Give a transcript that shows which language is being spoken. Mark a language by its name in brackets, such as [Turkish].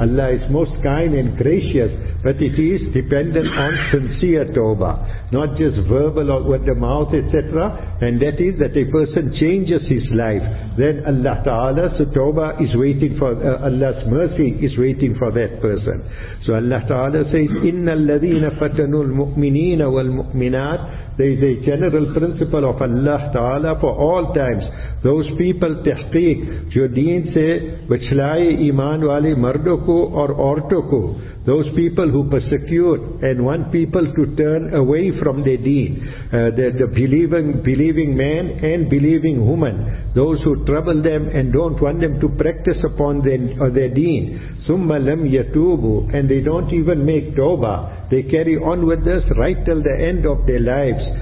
[English] Allah is most kind and gracious, but it is dependent on sincere tawbah, not just verbal or with the mouth, etc. And that is that a person changes his life, then Allah Ta'ala's tawbah is waiting for, Allah's mercy is waiting for that person. [Arabic] So Allah Ta'ala says, إِنَّ الَّذِينَ فَتَنُوا الْمُؤْمِنِينَ وَالْمُؤْمِنَاتِ. [English] There is a general principle of Allah Ta'ala for all times. Those people, tahqeeq, [Urdu] jo deen se bichlaye iman wale mardo ko aur aurto ko, [English] those people who persecute and want people to turn away from their deen, the believing man and believing woman, those who trouble them and don't want them to practice upon their deen, [Arabic] ثُمَّ لَمْ يَتُوبُ, [English] and they don't even make tawbah, they carry on with this right till the end of their lives.